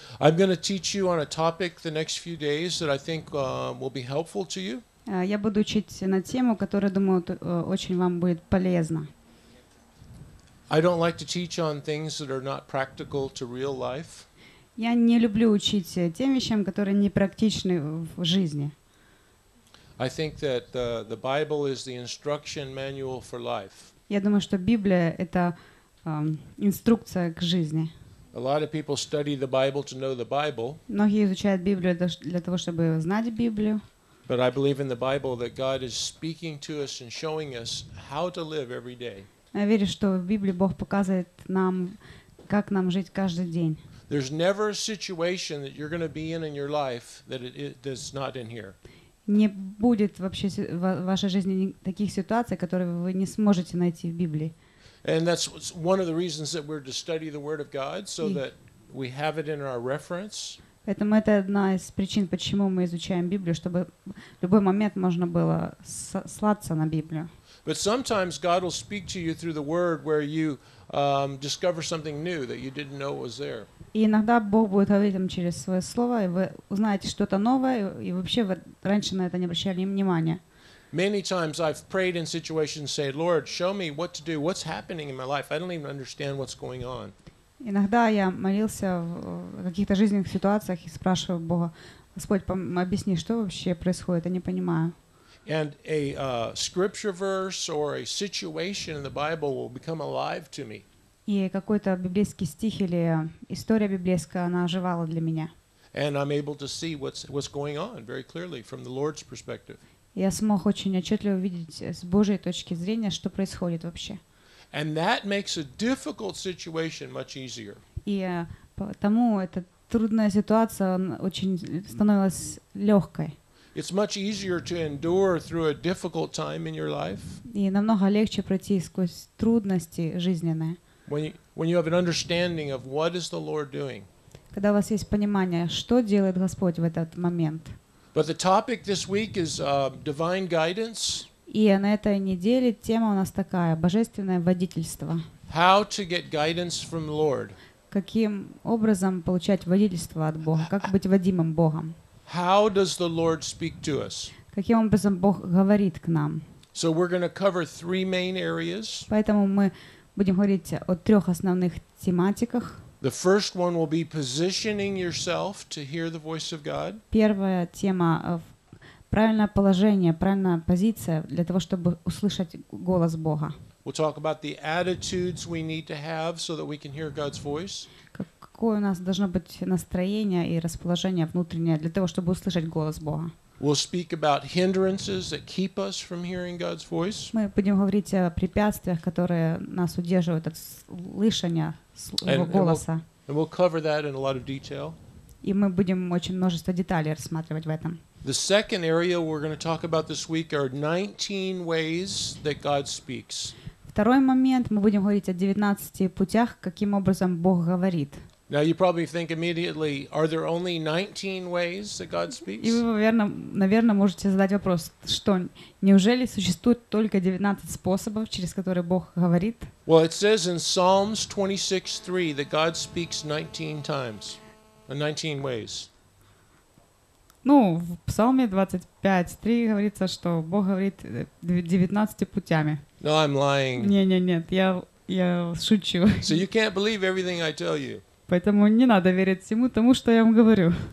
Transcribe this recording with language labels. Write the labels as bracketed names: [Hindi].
[English] I'm going to teach you on a topic the next few days that I think will be helpful to you. [Russian] Я буду учить на тему, которая, думаю, очень вам будет полезна. [English] I don't like to teach on things that are not practical to real life. [Russian] Я не люблю учить тем вещам, которые не практичны в жизни. [English] I think that the Bible is the instruction manual for life. [Russian] Я думаю, что Библия это инструкция к жизни. [English] A lot of people study the Bible to know the Bible. [Russian] Многие изучают Библию для того, чтобы знать Библию. [English] But I believe in the Bible that God is speaking to us and showing us how to live every day. [Russian] Я верю, что в Библии Бог показывает нам, как нам жить каждый день. [English] There's never a situation that you're going to be in your life that is not in here. [Russian] Не будет вообще в вашей жизни таких ситуаций, которые вы не сможете найти в Библии. [English] And that's one of the reasons that we're to study the Word of God so that we have it in our reference. [Russian] Поэтому это одна из причин, почему мы изучаем Библию, чтобы в любой момент можно было ссылаться на Библию. [English] But sometimes God will speak to you through the Word where you discover something new that you didn't know was there. [Russian] И иногда Бог будет говорить вам через свое слово, и вы узнаете что-то новое, и вообще вы раньше на это не обращали внимания. [English] Many times I've prayed in situations, say, Lord, show me what to do, what's happening in my life. I don't even understand what's going on. [Russian] Иногда я молился в каких-то жизненных ситуациях и спрашивал Бога, Господь, объясни, что вообще происходит, я не понимаю. [English] And a scripture verse or a situation in the Bible will become alive to me. [Russian] И какой-то библейский стих или история библейская, она оживала для меня. [English] And I'm able to see what's going on very clearly from the Lord's perspective. [Russian] Я смог очень отчетливо видеть с Божьей точки зрения, что происходит вообще. [English] And that makes a difficult situation much easier. [Russian] И потому эта трудная ситуация очень становилась легкой. [English] It's much easier to endure through a difficult time in your life. [Russian] И намного легче пройти сквозь трудности жизненные. [English] When you have an understanding of what is the Lord doing. [Russian] Когда у вас есть понимание, что делает Господь в этот момент. [English] But the topic this week is divine guidance. [Russian] И на этой неделе тема у нас такая — божественное водительство. [English] How to get guidance from the Lord. [Russian] Каким образом получать водительство от Бога? Как быть водимым Богом? [English] How does the Lord speak to us? [Russian] Каким образом Бог говорит к нам? [English] So we're going to cover three main areas. [Russian] Поэтому мы будем говорить о трех основных тематиках. [English] The first one will be positioning yourself to hear the voice of God. [Russian] Первая тема — правильное положение, правильная позиция для того, чтобы услышать голос Бога. [English] We'll talk about the attitudes we need to have so that we can hear God's voice. [Russian] Какое у нас должно быть настроение и расположение внутреннее для того, чтобы услышать голос Бога. [English] We'll speak about hindrances that keep us from hearing God's voice. [Russian] Мы будем говорить о препятствиях, которые нас удерживают от слышания Его голоса. [English] And we'll cover that in a lot of detail. [Russian] И мы будем очень множество деталей рассматривать в этом. [English] The second area we're going to talk about this week are 19 ways that God speaks. [Russian] Второй момент, мы будем говорить о 19 путях, каким образом Бог говорит. [English] Now you probably think immediately, are there only 19 ways that God speaks? [Russian] И вы, наверное, можете задать вопрос, что, неужели существует только 19 способов, через которые Бог говорит? [English] Well, it says in Psalms 26:3 that God speaks 19 times, 19 ways. [Russian] Ну, в Псалме 25:3 говорится, что Бог говорит 19 путями. [English] No, I'm lying. [Russian] Нет, я шучу. [English] So you can't believe everything I tell you. [Russian] Поэтому не надо верить всему тому, что я вам говорю.